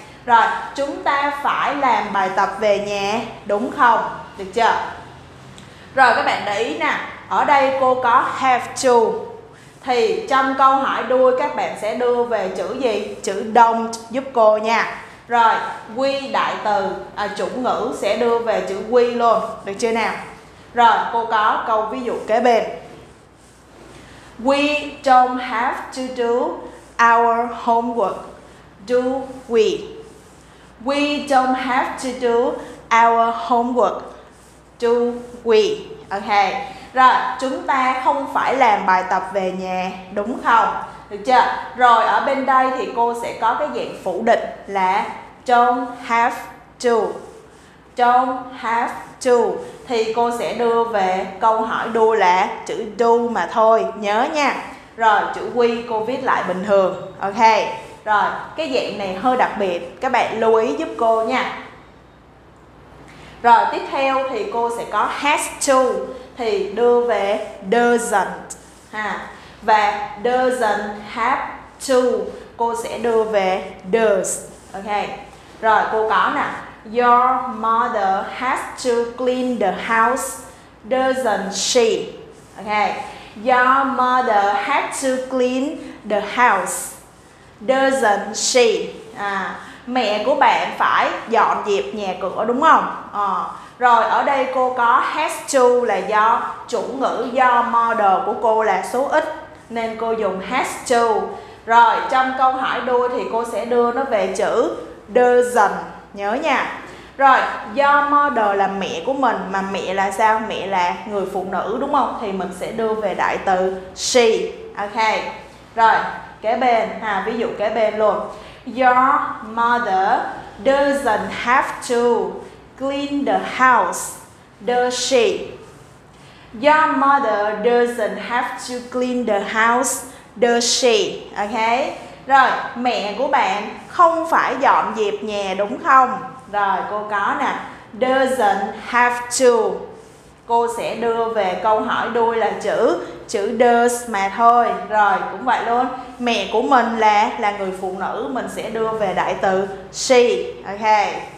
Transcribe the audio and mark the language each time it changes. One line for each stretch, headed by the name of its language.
Vietnamese: Rồi, chúng ta phải làm bài tập về nhà, đúng không? Được chưa? Rồi, các bạn để ý nè. Ở đây cô có have to. Thì trong câu hỏi đuôi các bạn sẽ đưa về chữ gì? Chữ don't giúp cô nha. Rồi, we đại từ, chủ ngữ sẽ đưa về chữ we luôn. Được chưa nào? Rồi, cô có câu ví dụ kế bên.
English: We don't have to do our homework, do we? We don't have to do our homework, do we? Okay.
Vietnamese: Rồi, chúng ta không phải làm bài tập về nhà, đúng không? Được chưa? Rồi, ở bên đây thì cô sẽ có cái dạng phủ định là don't have to. Don't have to. Thì cô sẽ đưa về câu hỏi đuôi là chữ do mà thôi, nhớ nha. Rồi, chữ we cô viết lại bình thường. Ok. Rồi, cái dạng này hơi đặc biệt, các bạn lưu ý giúp cô nha. Rồi, tiếp theo thì cô sẽ có has to. Thì đưa về doesn't ha. Và doesn't have to cô sẽ đưa về does. Ok. Rồi, cô có nè.
English: Your mother has to clean the house, doesn't she? Ok. Your mother had to clean the house, doesn't she?
Vietnamese: Mẹ của bạn phải dọn dẹp nhà cửa, đúng không? Rồi, ở đây cô có has to là do chủ ngữ, do mother của cô là số ít nên cô dùng has to. Rồi, trong câu hỏi đuôi thì cô sẽ đưa nó về chữ doesn't, nhớ nha. Rồi, do mother là mẹ của mình, mà mẹ là sao? Mẹ là người phụ nữ, đúng không? Thì mình sẽ đưa về đại từ she. Ok. Rồi, kế bên ha, ví dụ kế bên luôn.
English: Your mother doesn't have to clean the house, does she? Your mother doesn't have to clean the house, does she? Ok.
Vietnamese: Rồi, mẹ của bạn không phải dọn dẹp nhà, đúng không? Rồi, cô có nè. Doesn't have to. Cô sẽ đưa về câu hỏi đuôi là chữ does mà thôi. Rồi, cũng vậy luôn. Mẹ của mình là người phụ nữ, mình sẽ đưa về đại từ she. Ok.